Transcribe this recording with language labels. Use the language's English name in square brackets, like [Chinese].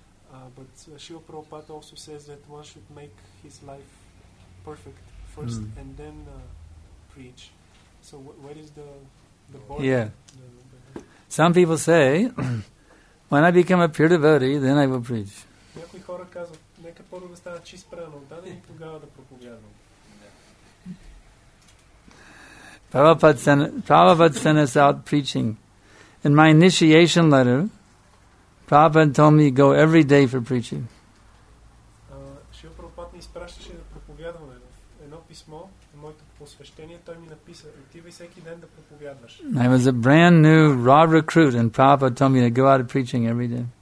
[English] But Srila Prabhupada also says that one should make his life perfect first, and then preach. So where is the border? Yeah. Some people say, when I become a pure devotee, then I will preach. [Bulgarian] Някои хора казват, нека първо да стана чист преданен и тогава да проповядвам. [English] Prabhupada sent us out preaching. In my initiation letter, Prabhupada told me go every day for preaching. [Bulgarian] Шрила Прабхупада ни изпращаше да проповядваме. В едно писмо, в моето посвещение, той ми написа, отивай всеки ден да проповядваш. [English] I was a brand new raw recruit and Prabhupada told me to go out preaching every day.